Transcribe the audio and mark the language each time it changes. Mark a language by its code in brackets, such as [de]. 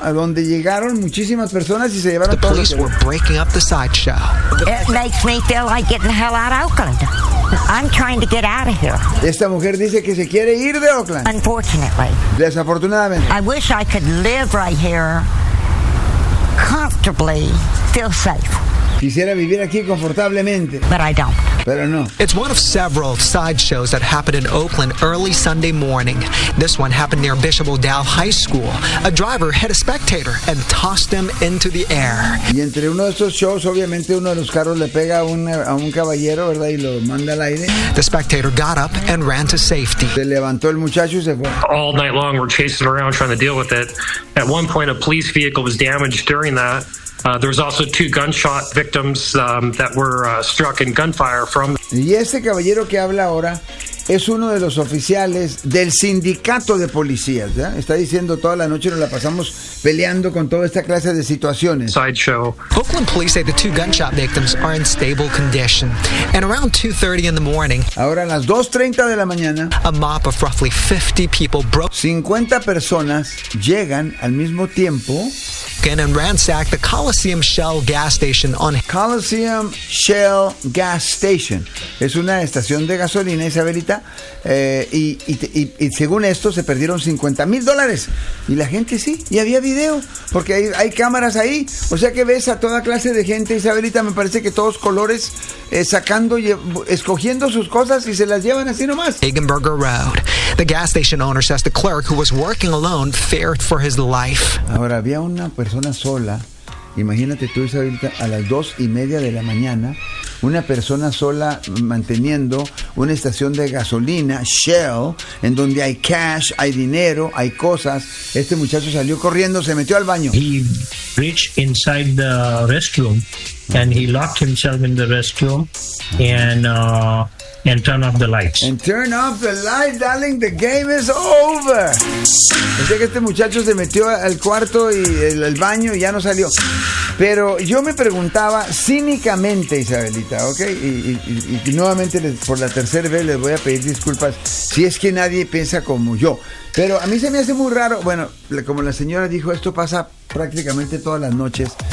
[es] A donde llegaron muchísimas personas y se llevaron todos. [en] The police were breaking up the sideshow. It makes me feel like getting the hell out of Oakland. I'm trying to get out of here. [es] Esta mujer dice que se quiere ir de Oakland. [en] Unfortunately. [es] Desafortunadamente. [en] I wish I could live right here comfortably, feel safe. [es] Quisiera vivir aquí confortablemente. [en] But I don't. [es] Pero no. [en] It's one of several sideshows that happened in Oakland early Sunday morning. This one happened near Bishop O'Dowd High School. A driver hit a spectator and tossed them into the air. [es] Y entre uno de estos shows, obviamente uno de los carros le pega a un caballero, ¿verdad? Y lo manda al aire. [en] The spectator got up and ran to safety. [es] Se levantó el muchacho y se fue. [en] All night long we're chasing around trying to deal with it. At one point a police vehicle was damaged during that. There was also two gunshot victims that were struck in gunfire from. [es] Y este caballero que habla ahora es uno de los oficiales del sindicato de policías, ¿ya? Está diciendo toda la noche nos la pasamos peleando con toda esta clase de situaciones. [en] Sideshow. Oakland police say the two gunshot victims are in stable condition. And around 2:30 in the morning. [es] Ahora a las 2:30 de la mañana. [en] A mob of roughly 50 people broke. [es] 50 personas llegan al mismo tiempo. [en] And ransacked the Coliseum Shell gas station on Coliseum Shell gas station. [es] Es una estación de gasolina, Isabelita, y según esto se perdieron $50,000. Y la gente sí, y había video, porque hay cámaras ahí. O sea que ves a toda clase de gente, Isabelita, me parece que todos colores, sacando y escogiendo sus cosas y se las llevan así nomás. [en] Hagenberger Road. The gas station owner says the clerk who was working alone feared for his life. [es] Ahora había una persona sola, imagínate tú, Isabelita, a las 2:30 de la mañana, una persona sola manteniendo una estación de gasolina, Shell, en donde hay cash, hay dinero, hay cosas. Este muchacho salió corriendo, se metió al baño. [en] He reached inside the restroom and he locked himself in the restroom and turn off the lights. And turn off the light, darling, the game is over. [es] O sea que este muchacho se metió al cuarto y el baño y ya no salió. Pero yo me preguntaba cínicamente, Isabelita, ¿ok? Y nuevamente por la tercera vez les voy a pedir disculpas si es que nadie piensa como yo. Pero a mí se me hace muy raro, bueno, como la señora dijo, esto pasa prácticamente todas las noches.